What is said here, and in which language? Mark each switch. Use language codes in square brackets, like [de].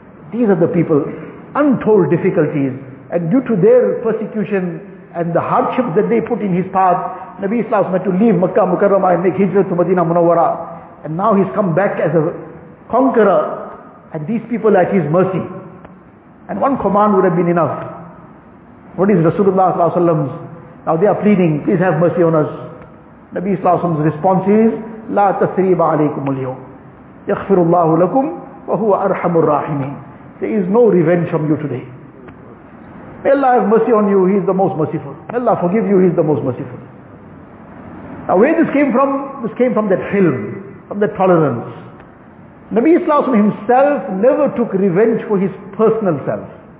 [en] These are the people, untold difficulties, and due to their persecution and the hardships that they put in his path, Nabi Islam had to leave Makkah Mukarramah and make hijrah to Madina Munawwara, and now he's come back as a conqueror and these people are at his mercy. And one command would have been enough. What is Rasulullah sallallahu alaihi wasallam? Now they are pleading, please have mercy on us. Nabi sallallahu alaihi wasallam's response is, [ar] لا تثريب عليكم اليوم يغفر الله لكم وهو أرحم الراحمين. [en] There is no revenge from you today. May Allah have mercy on you, He is the most merciful. May Allah forgive you, He is the most merciful. Now where this came from? This came from that hilm, from that tolerance. Nabi Islam himself never took revenge for his personal self.